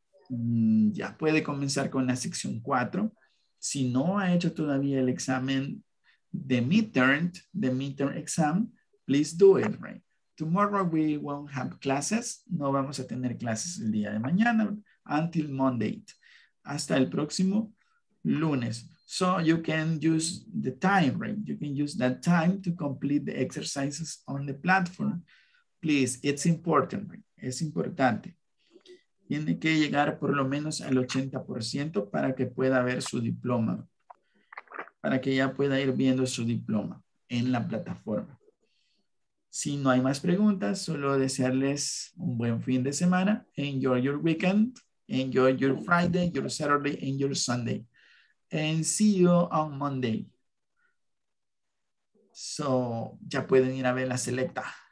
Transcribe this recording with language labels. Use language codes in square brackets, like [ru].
[es] Ya puede comenzar con la sección 4. Si no ha hecho todavía el examen de midterm exam, [en] please do it, right? Tomorrow we won't have classes. [es] No vamos a tener clases el día de mañana, [en] until Monday. [es] Hasta el próximo lunes. [en] So you can use the time, right? You can use that time to complete the exercises on the platform. Please, it's important, right? [es] Es importante. Tiene que llegar por lo menos al 80% para que pueda ver su diploma, para que ya pueda ir viendo su diploma en la plataforma. Si no hay más preguntas, solo desearles un buen fin de semana. [en] Enjoy your weekend, enjoy your Friday, your Saturday, and your Sunday. And see you on Monday. [es] So, ya pueden ir a ver la selecta.